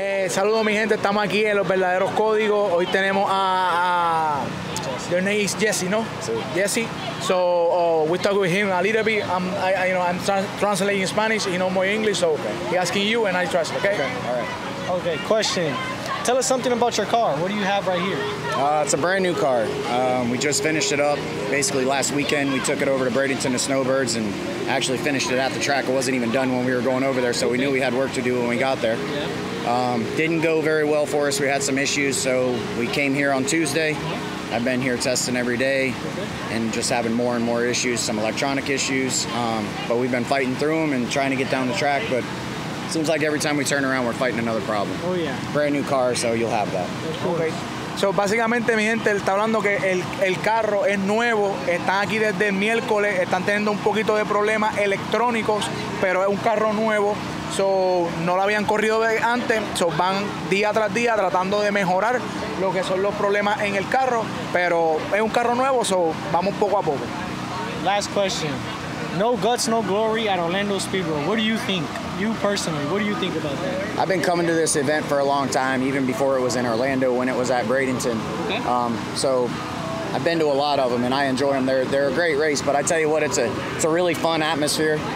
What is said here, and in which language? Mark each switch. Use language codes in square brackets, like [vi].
[es] Saludos, mi gente, estamos aquí en los verdaderos códigos. Hoy tenemos a [en] their name is [es] Jesse, ¿no? Sí. Jesse. [en] So we talk with him a little bit. I'm translating Spanish, he knows more English, so okay. He asking you and I trust, okay? Okay, all right. Okay, question. Tell us something about your car. What do you have right here? It's a brand new car. We just finished it up. Basically, last weekend, we took it over to Bradenton to Snowbirds and actually finished it at the track. It wasn't even done when we were going over there, so we knew we had work to do when we got there. Yeah. Didn't go very well for us. We had some issues, so we came here on Tuesday. I've been here testing every day and just having more and more issues, some electronic issues. But we've been fighting through them and trying to get down the track, but it seems like every time we turn around, we're fighting another problem. Oh, yeah. Brand new car, so you'll have that. Okay. [es] So, básicamente, mi gente, él está hablando que el carro es nuevo. Están aquí desde el miércoles. Están teniendo un poquito de problemas electrónicos, pero es un carro nuevo. So, no lo habían corrido de antes. So, van día tras día tratando de mejorar lo que son los problemas en el carro. Pero es un carro nuevo, so vamos poco a poco. [en] Last question. No guts, no glory at Orlando Speedway. What do you think? You personally, what do you think about that? I've been coming to this event for a long time, even before it was in Orlando when it was at Bradenton. Okay. So I've been to a lot of them and I enjoy them. They're a great race, but I tell you what, it's a really fun atmosphere.